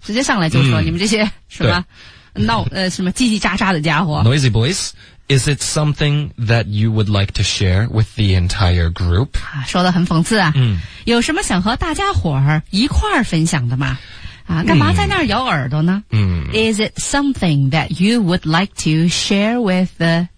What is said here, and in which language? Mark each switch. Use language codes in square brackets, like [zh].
[zh] 直接上来就说你们这些什么闹什么叽叽喳喳的家伙。 [en] Noisy boys, is it something that you would like to share with the entire group？ [zh] 啊，说的很讽刺啊。嗯，有什么想和大家伙儿一块儿分享的吗？啊，干嘛在那儿咬耳朵呢？ [en] Is it something that you would like to share with the